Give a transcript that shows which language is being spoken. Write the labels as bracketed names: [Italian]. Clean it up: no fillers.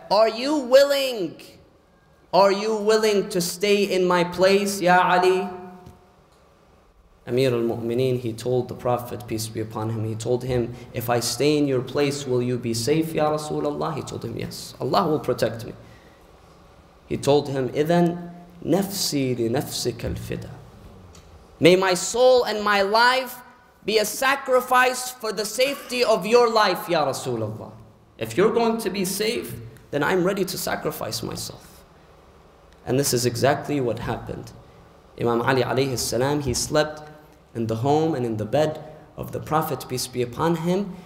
[English] Are you willing? Are you willing to stay in my place, Ya Ali? Amir al-Mu'mineen, he told the Prophet, peace be upon him, he told him, if I stay in your place, will you be safe, Ya Rasulullah? He told him, yes, Allah will protect me. He told him, [Arabic] إِذَن نَفْسِي لِنَفْسِكَ الْفِدَى. [English] May my soul and my life be a sacrifice for the safety of your life, Ya Rasulullah. If you're going to be safe, then I'm ready to sacrifice myself. And this is exactly what happened. Imam Ali alayhi salam, he slept in the home and in the bed of the Prophet, peace be upon him.